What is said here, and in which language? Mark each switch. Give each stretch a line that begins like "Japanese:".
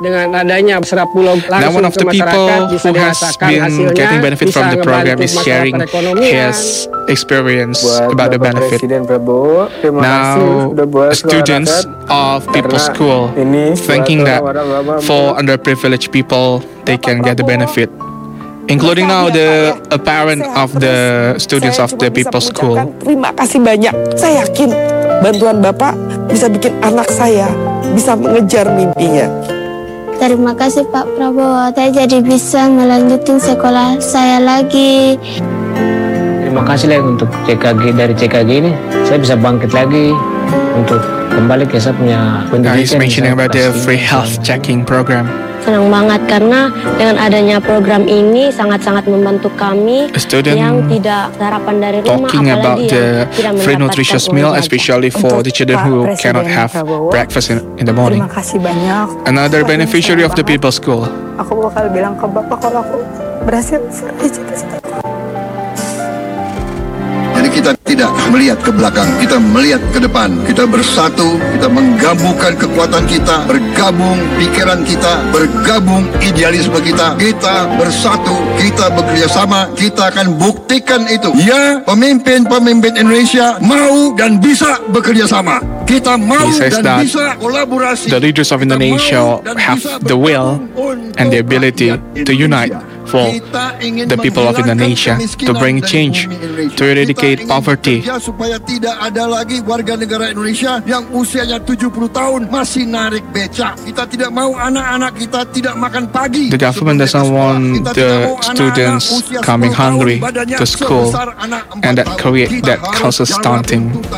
English: Now one of the people who has been getting benefit from the program is sharing his experience about the benefit. Now students of people's school thinking that for underprivileged people they can get the benefit, including now the parent of the students of the people's school.
Indonesian: Terima kasih banyak. Saya yakin bantuan Bapak bisa bikin anak saya bisa mengejar mimpinya. Terima kasih Pak Prabowo, saya jadi bisa melanjutin sekolah saya lagi. Terima kasih lagi untuk CKG, dari CKG ini saya bisa bangkit lagi untuk kembali ke saya punya pendidikan.
English: Guys, mentioning about the free health checking program.
Indonesian: Senang banget karena dengan adanya program ini sangat-sangat membantu kami yang tidak sarapan dari rumah.
English: Talking about the free nutritious meal, especially for the children who cannot have breakfast in the morning.
Indonesian: Terima kasih banyak.
English: Another beneficiary of the people's school.
Indonesian: Aku bakal bilang ke Bapak kalau aku berhasil cita-cita. Jadi kita tidak melihat ke belakang, kita melihat ke depan. Kita bersatu, kita menggabungkan kekuatan kita, bergabung pikiran kita, bergabung idealisme kita. Kita bersatu, kita bekerja sama, kita akan buktikan itu. Ya, pemimpin-pemimpin Indonesia mau dan bisa bekerja sama. Kita mau dan bisa kolaborasi.
English: The leaders of Indonesia have the will and the ability to unite for the people of Indonesia to bring change, to eradicate poverty.
Indonesian: Supaya tidak ada lagi warga negara Indonesia yang usianya 70 tahun masih narik becak. Kita tidak mau anak-anak kita tidak makan pagi.
English: The government doesn't want the students coming hungry to school, and that create that causes stunting.